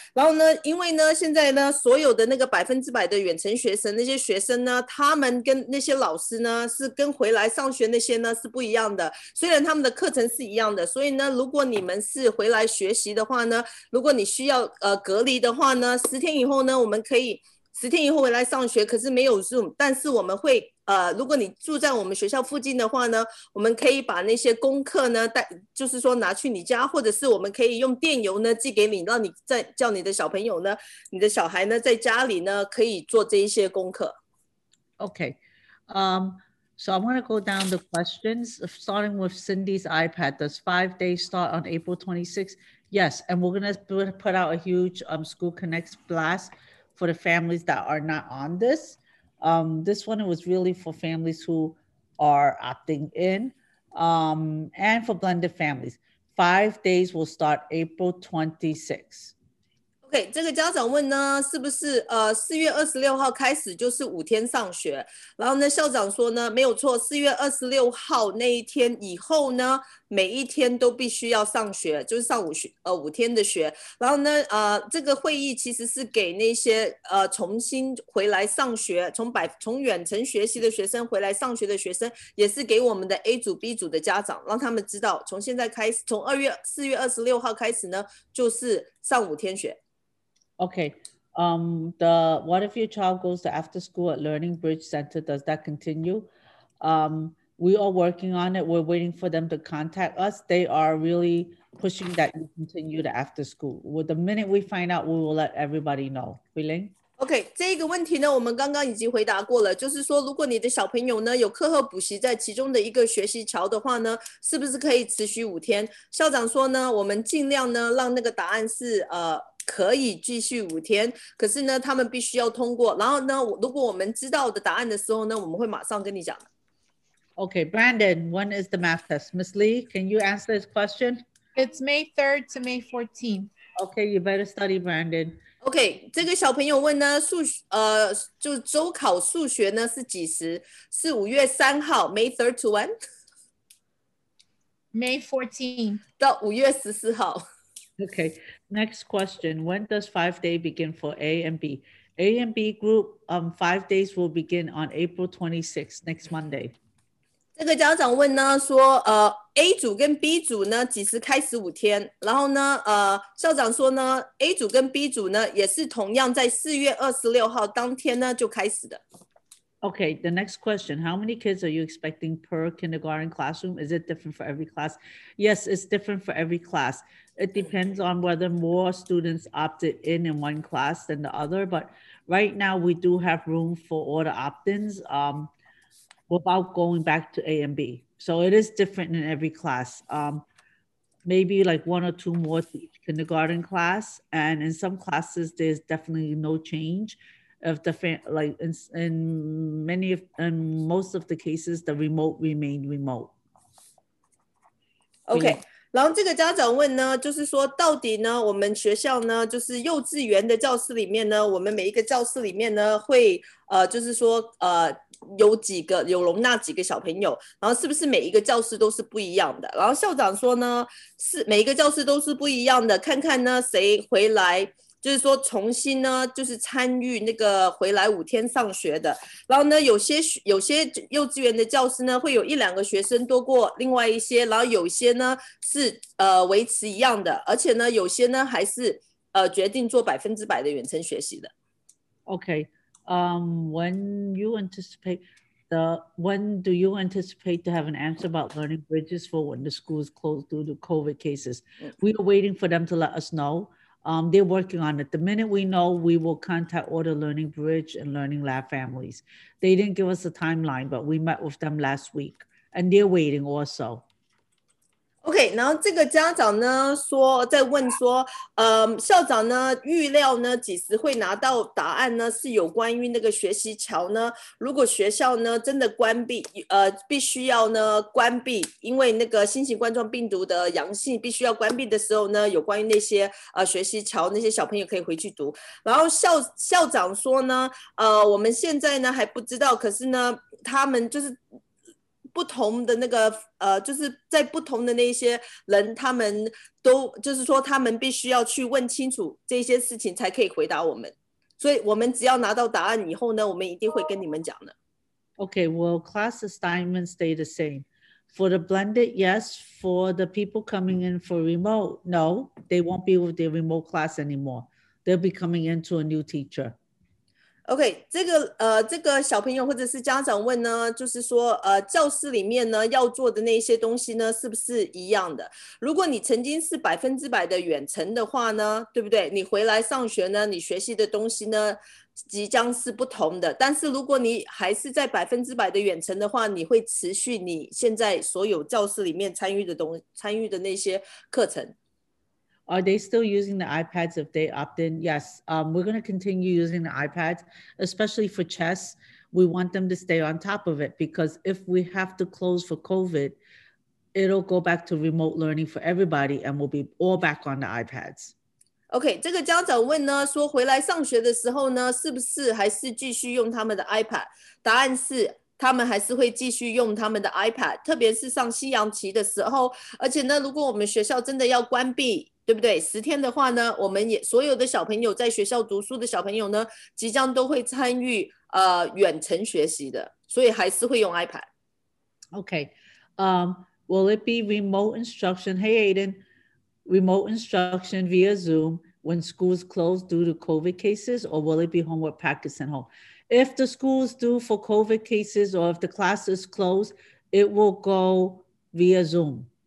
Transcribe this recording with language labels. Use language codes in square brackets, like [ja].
[zh] 然后呢，因为呢现在呢所有的那个100%的远程学生，那些学生呢，他们跟那些老师呢是跟回来上学那些呢是不一样的，虽然他们的课程是一样的，所以呢如果你们是回来学习的话呢，如果你需要隔离的话呢，10天以后呢，我们可以10天以后回来上学，可是没有 Zoom， 但是我们会如果你住在我们学校附近的话呢，我们可以把那些功课呢带，就是说拿去你家，或者是我们可以用电邮呢寄给你，让你在叫你的小朋友呢，你的小孩呢在家里呢可以做这一些功课。 [en] Okay. So I'm going to go down the questions, starting with Cindy's iPad. Does 5 days start on April 26th? Yes, and we're going to put out a huge School Connects blast for the families that are not on this. This one was really for families who are opting in and for blended families. 5 days will start April 26th. [zh] OK， 这个家长问呢，是不是4月26号开始就是5天上学？然后呢，校长说呢，没有错，4月26号那一天以后呢，每一天都必须要上学，就是上五天的学。然后呢，这个会议其实是给那些重新回来上学，从远程学习的学生回来上学的学生，也是给我们的 A 组、B 组的家长，让他们知道，从现在开始，从4月26号开始呢，就是上5天学。 [en] Okay. What if your child goes to after school at Learning Bridge Center? Does that continue? We are working on it. We're waiting for them to contact us. They are really pushing that you continue to after school. Well, the minute we find out, we will let everybody know. Huiling? [zh] OK， 这个问题呢我们刚刚已经回答过了，就是说如果你的小朋友呢有课后补习在其中的一个学习桥的话呢，是不是可以持续5天？校长说呢，我们尽量呢让那个答案是可以继续5天，可是呢他们必须要通过，然后呢如果我们知道的答案的时候呢，我们会马上跟你讲。 [en] OK， Brandon， when is the math test? Miss Lee, can you answer this question? It's May 3rd to May 14th. OK, you better study, Brandon. [zh] OK， 这个小朋友问呢，就周考数学呢是几时？是5月3号 [en] May 3rd to when? May 14th [zh] 到5月14号。 [en] Okay, next question. When does 5 day begin for A and B? A and B group 5 days will begin on April 26th, next Monday. [zh] 这个家长问呢，说A 组跟 B 组呢几时开始5天？然后呢，校长说呢 ，A 组跟 B 组呢也是同样在4月26号当天呢就开始的。 [en] Okay, the next question. How many kids are you expecting per kindergarten classroom? Is it different for every class? Yes, it's different for every class. It depends on whether more students opted in one class than the other. But right now we do have room for all the opt-ins without going back to A and B. So it is different in every class. Maybe like one or two more to each kindergarten class. And in some classes, there's definitely no change. Of the like in many of in most of the cases, the remote remained remote. Okay. [zh] 然后这个家长问呢，就是说到底呢，我们学校呢，就是幼稚园的教室里面呢，我们每一个教室里面呢，会就是说有几个有容纳几个小朋友，然后是不是每一个教室都是不一样的？然后校长说呢，是每一个教室都是不一样的，看看呢谁回来。就是说重新呢就是参与那个回来5天上学的，然后呢有些幼稚园的教师呢会有一两个学生多过另外一些，然后有些呢是维持一样的，而且呢有些呢还是决定做100%的远程学习的。 [en] OK When do you anticipate to have an answer about learning bridges for when the school is closed due to COVID cases? We are waiting for them to let us know. They're working on it. The minute we know, we will contact Order Learning Bridge and Learning Lab families. They didn't give us a timeline, but we met with them last week and they're waiting also. [zh] OK, 然后这个家长呢说在问说校长呢预料呢几时会拿到答案呢，是有关于那个学习桥呢，如果学校呢真的关闭必须要呢关闭，因为那个新型冠状病毒的阳性必须要关闭的时候呢，有关于那些学习桥那些小朋友可以回去读。然后校长说呢我们现在呢还不知道，可是呢他们就是不同的那个就是在不同的那些人，他们都就是说他们必须要去问清楚这些事情才可以回答我们，所以我们只要拿到答案以后呢，我们一定会跟你们讲的。 [en] Okay, will class assignments stay the same? For the blended, yes. For the people coming in for remote, no. They won't be with the remote class anymore. They'll be coming in to a new teacher. [zh] OK, 这个小朋友或者是家长问呢，就是说教室里面呢要做的那些东西呢是不是一样的？如果你曾经是百分之百的远程的话呢，对不对？你回来上学呢，你学习的东西呢即将是不同的，但是如果你还是在百分之百的远程的话，你会持续你现在所有教室里面参与的那些课程。 [en] Are they still using the iPads if they opt in? Yes, we're going to continue using the iPads, especially for chess. We want them to stay on top of it because if we have to close for COVID, it'll go back to remote learning for everybody and we'll be all back on the iPads. [zh] OK, 这个家长问呢，说回来上学的时候呢，是不是还是继续用他们的 iPad? 答案是他们还是会继续用他们的 iPad, 特别是上西洋棋的时候。而且呢，如果我们学校真的要关闭，对不对？十天的话呢，我们也所有的小朋友在学校读书的小朋友呢，即将都会参与远程学习的，所以还是会用 iPad。 [en] Okay, will it be remote instruction? Hey, Aiden, remote instruction via Zoom when schools close due to COVID cases, or will it be homework practice at home? If the schools do for COVID cases or if the classes close, it will go via Zoom.